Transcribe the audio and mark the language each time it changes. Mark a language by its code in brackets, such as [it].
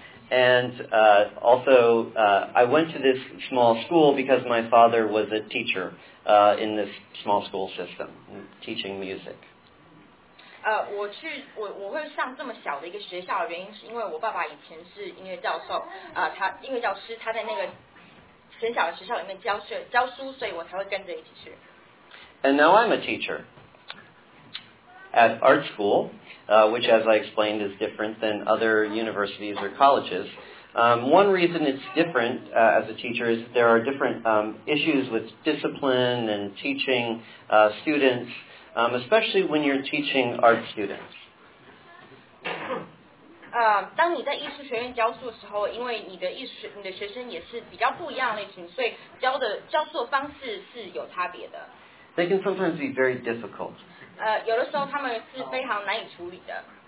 [en] And also, I went to this small school because my father was a teacher in this small school system, teaching music. [zh] 我会上这么小的一个学校的原因是因为我爸爸以前是音乐教授，他音乐教师，他在那个很小的学校里面教书，所以我才会跟着一起去。 [en] And now I'm a teacher at art school. Which, as I explained, is different than other universities or colleges. One reason it's different as a teacher is there are different issues with discipline and teaching students, especially when you're teaching art students. [zh] 当你在艺术学院教书的时候，因为你的学生也是比较不一样的类型，所以教书的方式是有差别的。 [en] They can sometimes be very difficult. [zh] 有的时候他们是非常难以处理的。